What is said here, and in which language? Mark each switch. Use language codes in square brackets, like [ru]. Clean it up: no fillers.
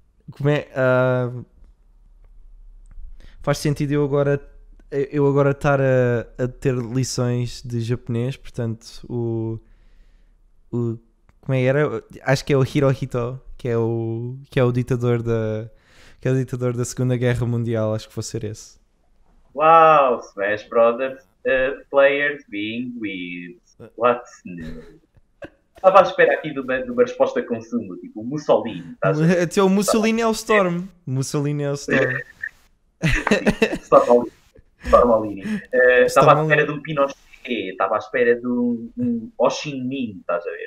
[pt] Como é, faz sentido eu agora estar a ter lições de japonês, portanto, o como é, era, acho que é o Hirohito, que é o ditador da Segunda Guerra Mundial, acho que vou ser esse. [en] Wow, Smash Brothers, players being weird. What's new? [pt] Estava à espera aqui de uma resposta de consumo, tipo Mussolini, estás a ver? Até o Mussolini é o Storm. Mussolini é o Storm. Sim, Stormolini. Estava à espera Stormolini. de um Pinochet, estava à espera de um Ho Chi Minh, estás a ver?